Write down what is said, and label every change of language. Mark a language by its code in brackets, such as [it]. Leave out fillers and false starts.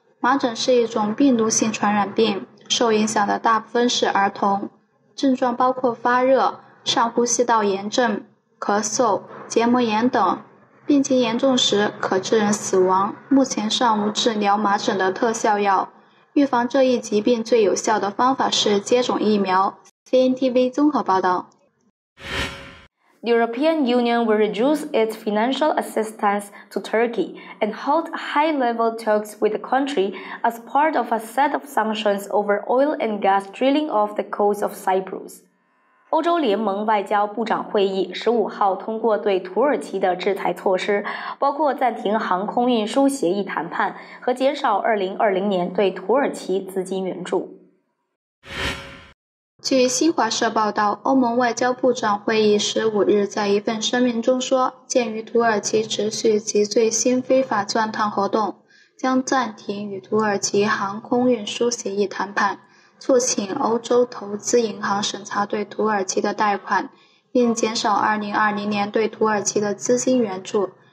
[zh] 麻疹是一种病毒性传染病，受影响的大部分是儿童，症状包括发热、上呼吸道炎症、咳嗽、结膜炎等，病情严重时可致人死亡。目前尚无治疗麻疹的特效药。预防这一疾病最有效的方法是接种疫苗。 CNTV 综合报道。 [en] The European Union will reduce its financial assistance to Turkey and hold high-level talks with the country as part of a set of sanctions over oil and gas drilling off the coast of Cyprus. [zh] 欧洲联盟外交部长会议15号通过对土耳其的制裁措施，包括暂停航空运输协议谈判和减少2020年对土耳其资金援助。据新华社报道，欧盟外交部长会议15日在一份声明中说，鉴于土耳其持续其最新非法钻探活动，将暂停与土耳其航空运输协议谈判，促请欧洲投资银行审查对土耳其的贷款，并减少2020年对土耳其的资金援助。